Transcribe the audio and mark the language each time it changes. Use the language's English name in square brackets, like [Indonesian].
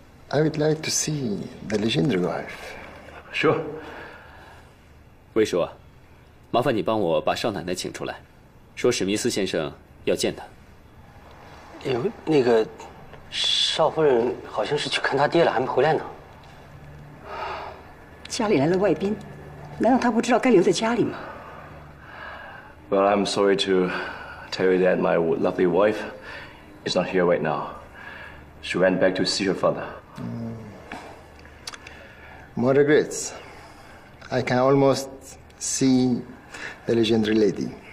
[English] I would like to see the legendary wife. Sure. [Chinese] 魏叔，麻烦你帮我把少奶奶请出来，说史密斯先生要见她。哎，那个少夫人好像是去看她爹了，还没回来呢。家里来了外宾，难道她不知道该留在家里吗 [English] ？Well, I'm sorry to tell you that my lovely wife is not here right now. She went back to see her father. More regrets. I can almost see the legendary lady.